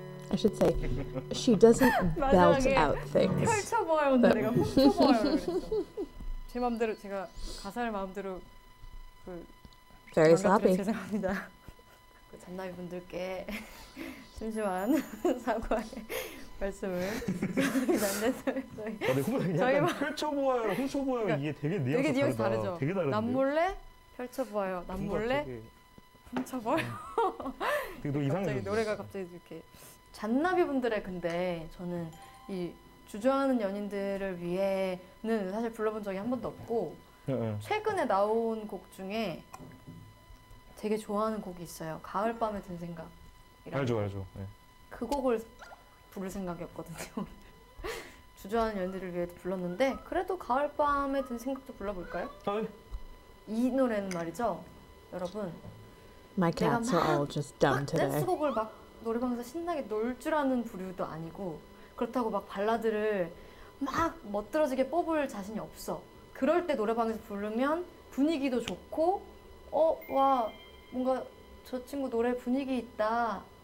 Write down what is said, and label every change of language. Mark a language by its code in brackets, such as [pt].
[en] I should say, she doesn't belt out things. [ko] 펼쳐보아요, 내가 훔쳐보아요. 제 마음대로 제가 가사를 마음대로 그 [en] Very sloppy. [ko] 죄송합니다. 그 잔나비 분들께 심심한 사과의 말씀을 남대설 저희 저희만 펼쳐보아요, 훔쳐보아요 그러니까 이게 되게 내용이 되게 뉘앙스 다르죠. 되게 다른데. 남몰래 펼쳐보아요. 남몰래 훔쳐보아요. 되게 이상해. 노래가 갑자기 이렇게 잔나비 분들의 근데 저는 이 주저하는 연인들을 위해는 사실 불러본 적이 한 번도 없고 최근에 나온 곡 중에 되게 좋아하는 곡이 있어요. 가을밤에 든 생각. 알죠, 알죠. 네. 그 곡을 부를 생각이었거든요. 주저하는 연인들을 위해 불렀는데 그래도 가을밤에 든 생각도 불러볼까요? 네. 이 노래는 말이죠, 여러분. [en] My cats are all just dumb today. [ko] 댄스곡을 막 노래방에서 신나게 놀 줄 아는 부류도 아니고 그렇다고 막 발라드를 막 멋들어지게 뽑을 자신이 없어. 그럴 때 노래방에서 부르면 분위기도 좋고 와 뭔가 저 친구 노래 분위기 있다.